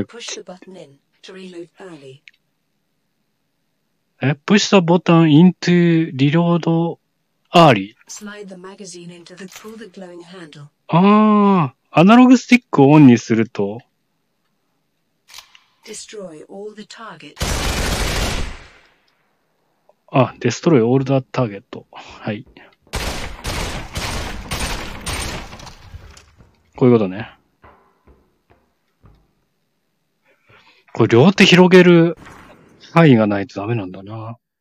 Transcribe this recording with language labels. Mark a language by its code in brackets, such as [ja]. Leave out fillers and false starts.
[en] Push the button in to reload early. え、push the button into reload early. Slide the magazine into the, pull the glowing handle. [ja] あー、アナログスティックをオンにすると。 [en] Destroy all the targets. あ、デストロイオールダーターゲット。はい。 [ja] こういうことね。これ両手広げる範囲がないとダメなんだな。